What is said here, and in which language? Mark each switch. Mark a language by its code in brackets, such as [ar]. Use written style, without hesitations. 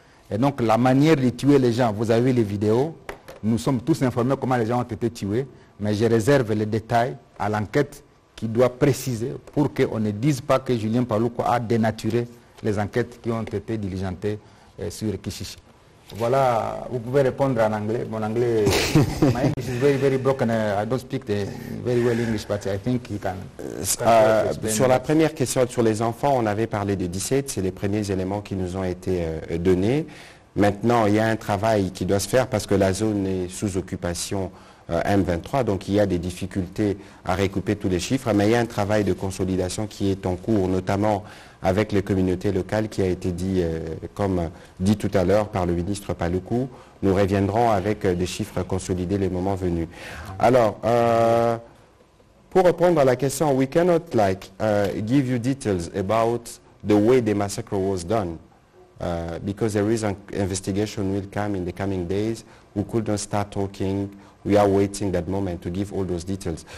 [fr] Et donc, la manière de tuer les gens, vous avez vu les vidéos, nous sommes tous informés comment les gens ont été tués, mais je réserve les détails à l'enquête qui doit préciser pour qu'on ne dise pas que Julien Paluku a dénaturé les enquêtes qui ont été diligentées sur Kishishi. Voilà, vous pouvez répondre en anglais. Mon anglais, [en] my English is very, very broken. I don't speak the very well English, but I think you can. [fr] Sur la première question sur les enfants, on avait parlé de 17, c'est les premiers éléments qui nous ont été donnés. Maintenant, il y a un travail qui doit se faire parce que la zone est sous occupation M23, donc il y a des difficultés à récupérer tous les chiffres, mais il y a un travail de consolidation qui est en cours, notamment avec les communautés locales qui a été dit, comme dit tout à l'heure par le ministre Paluku. Nous reviendrons avec des chiffres consolidés les moments venus. Alors, pour répondre à la question, [en] we cannot like give you details about the way the massacre was done, because there is an investigation will come in the coming days. We couldn't start talking. We are waiting that moment to give all those details.